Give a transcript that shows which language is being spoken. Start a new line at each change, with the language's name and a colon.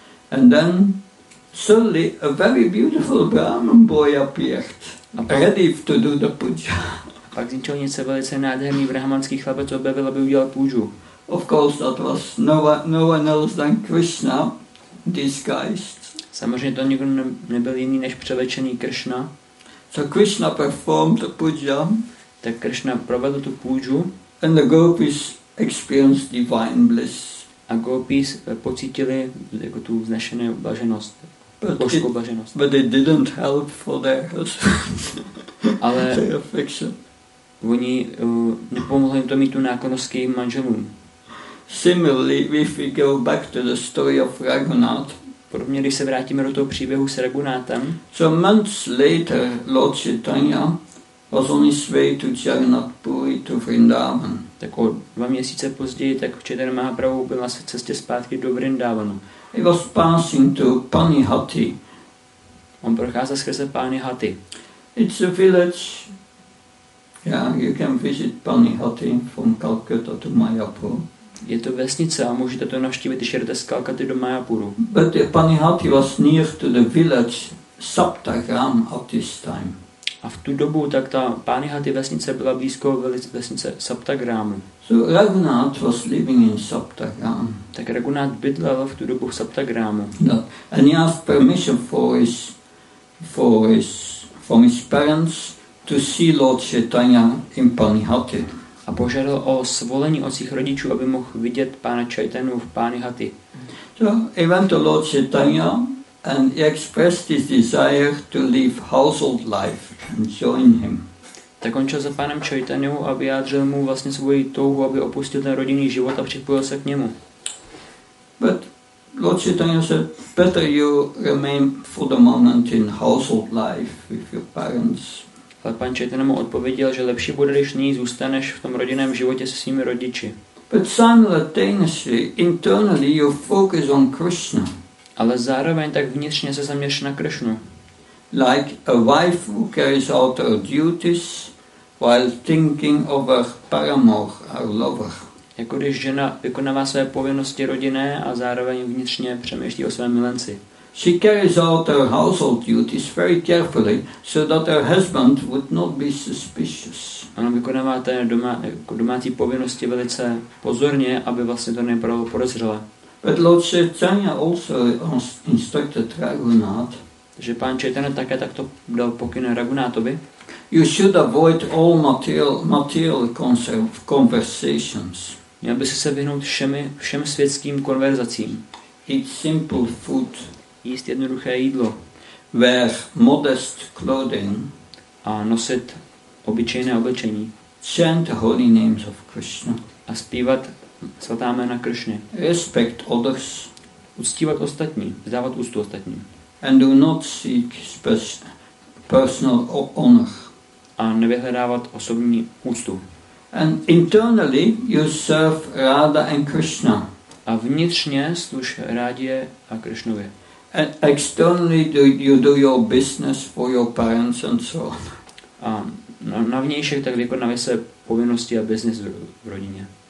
English: And then suddenly a very beautiful Brahmin boy appeared, ready to do the puja.
Czech: A pak zničil něco velice nádherný brahmanský chlapec, objevil, aby udělal puju.
English: Of course, that was no one else than Krishna disguised.
Czech: Samozřejmě to nikdo nebyl jiný než převlečený Krishna.
English: So Krishna performed the puja.
Czech: Tak Krishna provedl tu puju.
English: And the gopis experienced divine bliss.
Czech: A gopis pocítili jako tu vznešené blaženost, božskou blaženost.
English: But it didn't help for their husbands.
Czech: Ale
English: their affection.
Czech: Oni nepomohli jim to mít tu náklonost k jejich manželům.
English: Similarly, if we go back to the story of Raghunath.
Czech: Podobně, když se vrátíme do toho příběhu s Raghunathem.
English: So months later, Lord Chaitanya was on his way to Jagannath Puri to Vrindavan.
Czech: Tak o dva měsíce později, tak Chaitanya Mahaprabhu byl na své cestě zpátky do Vrindavanu.
English: He was passing to Panihati.
Czech: On procházel skrze Panihati.
English: It's a village. Yeah, you can visit Panihati from Calcutta to Mayapur.
Czech: Je to vesnice a můžete to navštívit, když jedete z Kalkaty do Mayapuru.
English: But Panihati was near to the village Saptagram at this time.
Czech: A v tu dobu tak ta Panihati vesnice byla blízko vesnice Saptagrámu.
English: So Raghunath was living in Saptagram.
Czech: Tak Raghunath bydlel v tu dobu v Saptagrámu.
English: And he asked permission from his parents to see Lord Chaitanya in Panihati.
Czech: A požádal o svolení od svých rodičů, aby mohl vidět pána Chaitanyu v Panihati.
English: So he went to Lord Chaitanya and he expressed his desire to leave household life and join him.
Czech: Tak on šel za pánem Chaitanyu a vyjádřil mu vlastně svoji touhu, aby opustil ten rodinný život a připojil se k němu.
English: But Lord Chaitanya said, better you remain for the moment in household life with your parents.
Czech: Ale pan Chaitanya mu odpověděl, že lepší bude, když nyní zůstaneš v tom rodinném životě se svými rodiči.
English: But simultaneously, internally you focus on Krishna.
Czech: Ale zároveň tak vnitřně se zaměřuješ na Krishnu.
English: Like a wife who carries out her duties while thinking of her paramour, her lover.
Czech: Jako když žena vykonává své povinnosti rodinné a zároveň vnitřně přemýšlí o své milenci.
English: She carries out her household duties very carefully so that her husband would not be suspicious.
Czech: Ona vykonává té domácí povinnosti velice pozorně, aby vlastně to nebylo podezřelé.
English: But Lord Chaitanya also instructed Raghunath.
Czech: Že pán Chaitanya také takto dal pokyn Raghunathovi.
English: You should avoid all material conversations.
Czech: Měl by se vyhnout všem světským konverzacím.
English: Eat simple food.
Czech: Jíst jednoduché jídlo.
English: Wear modest clothing.
Czech: A nosit obyčejné oblečení.
English: Chant the holy names of Krishna.
Czech: A zpívat svatá jména Krishna.
English: Respect others.
Czech: Uctívat ostatní, vzdávat úctu ostatním.
English: And do not seek personal honor.
Czech: A nevyhledávat osobní úctu.
English: And internally you serve Radha and Krishna.
Czech: A vnitřně služ Rádě a Krishnově.
English: And externally you do your business for your parents and so on.
Czech: A na vnějšek tak vykonávají své povinnosti a business v rodině.